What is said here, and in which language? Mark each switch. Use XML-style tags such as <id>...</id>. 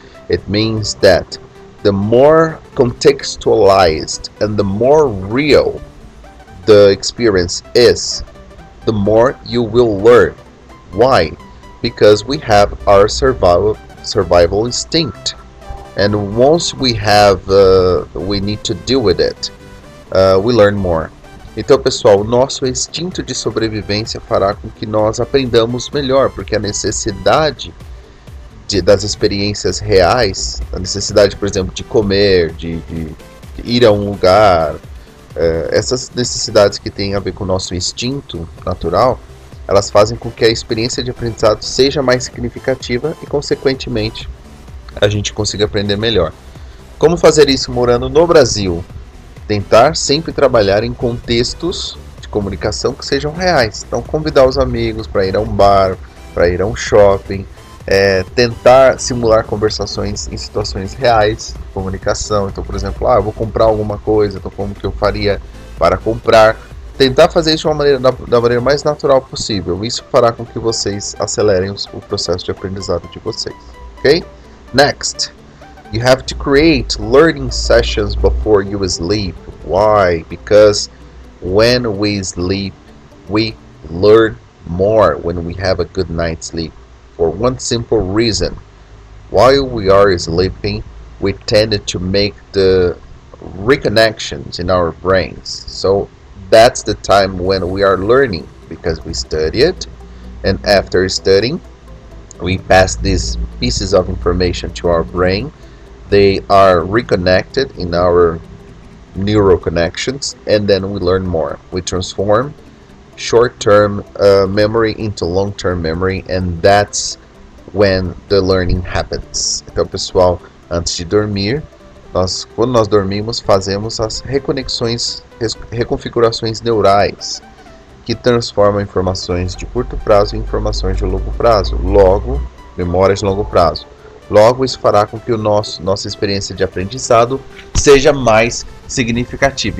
<en>It means that the more contextualized and the more real the experience is, the more you will learn. Why? Because we have our survival instinct. And once we have, we need to deal with it, we learn more.</en> <pt>Então, pessoal, o nosso instinto de sobrevivência fará com que nós aprendamos melhor, porque a necessidade das experiências reais, a necessidade, por exemplo, de comer, de ir a um lugar, essas necessidades que têm a ver com o nosso instinto natural, elas fazem com que a experiência de aprendizado seja mais significativa e, consequentemente, a gente consiga aprender melhor. Como fazer isso morando no Brasil? Tentar sempre trabalhar em contextos de comunicação que sejam reais. Então, convidar os amigos para ir a um bar, para ir a um shopping. Tentar simular conversações em situações reais de comunicação. Então, por exemplo, eu vou comprar alguma coisa, então como que eu faria para comprar? Tentar fazer isso de uma maneira, da maneira mais natural possível. Isso fará com que vocês acelerem o processo de aprendizado de vocês. Ok?</pt> <en>Next, you have to create learning sessions before you sleep. Why? Because when we sleep, we learn more when we have a good night's sleep. For one simple reason, while we are sleeping, we tend to make the reconnections in our brains. So that's the time when we are learning, because we study it, and after studying, we pass these pieces of information to our brain, they are reconnected in our neural connections, and then we learn more. We transform short-term memory into long-term memory, and that's when the learning happens.</en> <pt>Então, pessoal, antes de dormir, nós, quando nós dormimos, fazemos as reconexões, reconfigurações neurais, que transformam informações de curto prazo em informações de longo prazo, logo, memórias de longo prazo. Logo, isso fará com que o nosso, nossa experiência de aprendizado seja mais significativa.</pt>